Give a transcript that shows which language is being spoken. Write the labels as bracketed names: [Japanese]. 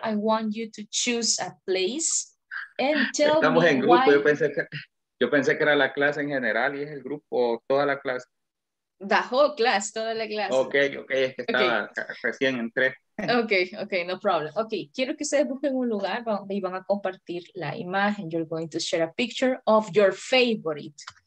[English] I want you to choose a place and tell [Spanish] estamos [English] me [Spanish] en grupo. [English] Why. [Spanish] Yo pensé que era la clase en general y es el grupo, toda la clase. [English] The whole class, [Spanish] toda la clase. Okay, es que estaba okay. Recién entré. [English] Okay, no problem. [Spanish] Okay, quiero que ustedes busquen un lugar donde iban a compartir la imagen. [English] You're going to share a picture of your favorite.